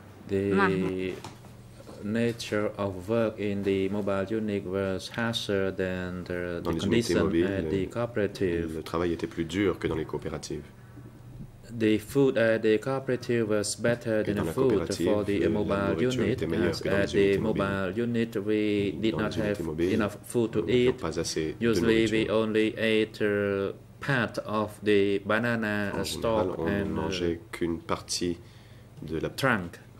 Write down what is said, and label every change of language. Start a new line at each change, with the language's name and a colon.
English: The nature of work in the mobile unit was harsher than the conditions at the cooperative.
French: Le travail était plus dur que dans les coopératives.
English: The food at the cooperative was better than the food for the mobile unit, as at the mobile unit we did not have enough food to eat. Usually we only ate part of the banana stalk and trunk.